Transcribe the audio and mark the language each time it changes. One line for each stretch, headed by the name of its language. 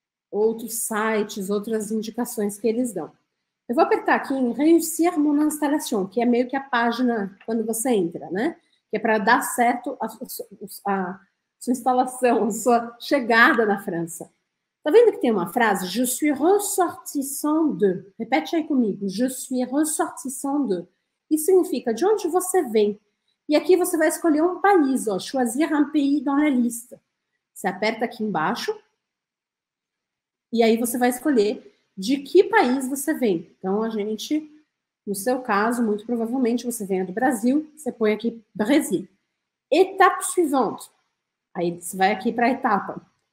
Portuguese: Outros sites, outras indicações que eles dão. Eu vou apertar aqui em Réussir mon installation, que é meio que a página quando você entra, né? Que é para dar certo sua instalação, sua chegada na França. Tá vendo que tem uma frase?
French: Je suis ressortissant de. Repete aí comigo. Je suis ressortissant de.
Portuguese: Isso significa de onde você vem. E aqui você vai escolher um país, ó.
French: Choisir un pays dans la liste.
Portuguese: Você aperta aqui embaixo. E aí você vai escolher de que país você vem. Então, a gente, no seu caso, muito provavelmente você venha do Brasil. Você põe aqui Brasil.
French: Étape suivante.
Portuguese: Aí você vai aqui para a etapa.